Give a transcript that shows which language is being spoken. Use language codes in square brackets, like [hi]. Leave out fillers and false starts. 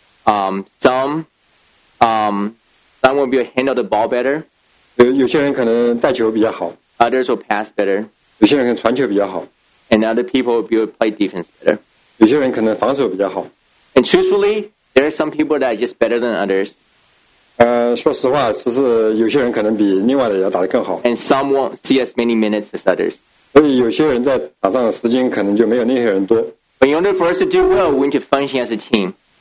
[en] Some will be able to handle the ball better. [zh] 有些人可能带球比较好。 [en] Others will pass better. [zh] 有些人可能传球比较好。 [en] And other people will be able to play defense better. [zh] 有些人可能防守比较好。 [en] And truthfully, there are some people that are just better than others. [zh] 说实话，其实有些人可能比另外的要打得更好。 [en] And some won't see as many minutes as others. [zh] 所以有些人在场上的时间可能就没有那些人多。 [en] But in order for us to do well, we need to function as a team.